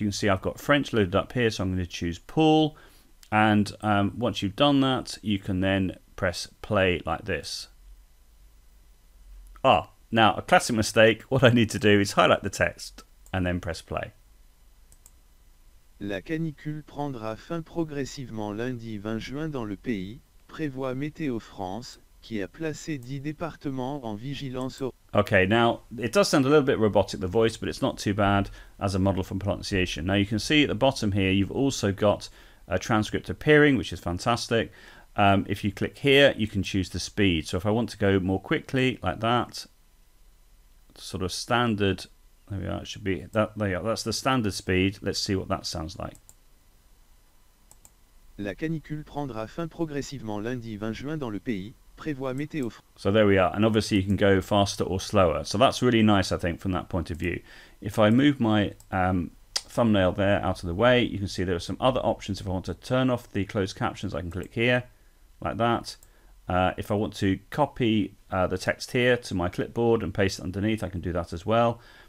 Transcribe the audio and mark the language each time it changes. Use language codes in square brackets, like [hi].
[en] You can see I've got French loaded up here, so I'm going to choose Paul. And once you've done that, you can then press play like this. Ah, now a classic mistake. What I need to do is highlight the text and then press play. [fr] La canicule prendra fin progressivement lundi 20 juin dans le pays, prévoit Météo France, qui a placé 10 départements en vigilance. [en] Okay, now it does sound a little bit robotic, the voice, but it's not too bad as a model for pronunciation. Now you can see at the bottom here, you've also got a transcript appearing, which is fantastic. If you click here, you can choose the speed. So if I want to go more quickly like that, sort of standard, there we are, it should be, that, there you are, that's the standard speed. Let's see what that sounds like. [fr] La canicule prendra fin progressivement lundi 20 juin dans le pays. [en] So there we are, and obviously you can go faster or slower, so that's really nice, I think, from that point of view. If I move my thumbnail there out of the way, you can see there are some other options. If I want to turn off the closed captions, I can click here like that. If I want to copy the text here to my clipboard and paste it underneath, I can do that as well.